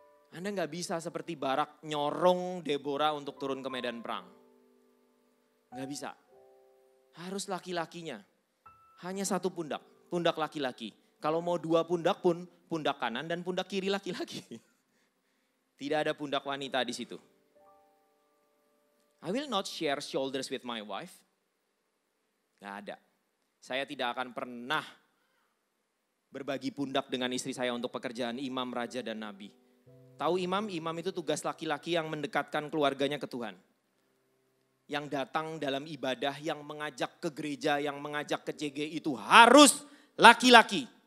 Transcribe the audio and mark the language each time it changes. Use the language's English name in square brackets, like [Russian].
[Indonesian] Anda gak bisa seperti Barak nyorong Deborah untuk turun ke medan perang. Gak bisa. Harus laki-lakinya, hanya satu pundak, pundak laki-laki. Kalau mau dua pundak pun, pundak kanan dan pundak kiri laki-laki. Tidak ada pundak wanita di situ. [English] I will not share shoulders with my wife. [Indonesian] Gak ada. Saya tidak akan pernah berbagi pundak dengan istri saya untuk pekerjaan imam, raja, dan nabi. Tahu imam? Imam itu tugas laki-laki yang mendekatkan keluarganya ke Tuhan. Yang datang dalam ibadah, yang mengajak ke gereja, yang mengajak ke CG itu harus laki-laki.